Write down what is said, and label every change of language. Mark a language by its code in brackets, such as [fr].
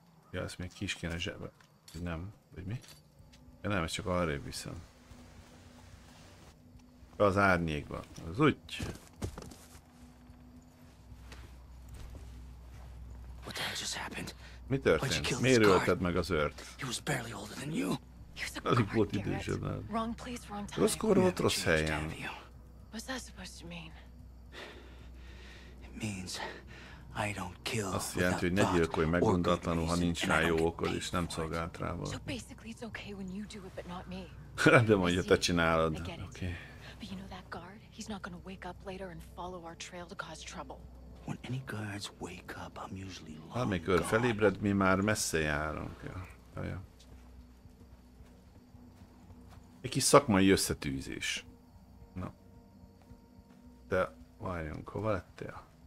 [hu] Ja, ezt még kis kéne zsebbe. Nem, vagy mi? Ja nem, ezt csak arrébb viszem. Az árnyékba. Az úgy. [en] What the hell just happened? [hu] Mi történt? Miért ölted meg az őrt? [en] He was barely older than you. [hu] Az így volt idősebb nálad. [en] Wrong place, wrong time. [hu] Rossz kor volt, rossz helyen. [en] What's that supposed to mean? It means I don't kill. [hu] Azt jelenti, hogy ne gyilkolj meggondatlanul, ha nincs rá jó okod, és nem szolgált rá valaki. [en] So basically it's okay when you do it, but not me. [hu] Rendben van, hogy te csinálod. Oké. [en] But you know that guard? He's not gonna wake up later and follow our trail to cause trouble. When any guards wake up, I'm usually long gone. [hu] Amikor felébred, mi már messze járunk. Ja. Ja, ja. Egy kis szakmai összetűzés. Na. De várjunk, hova lettél?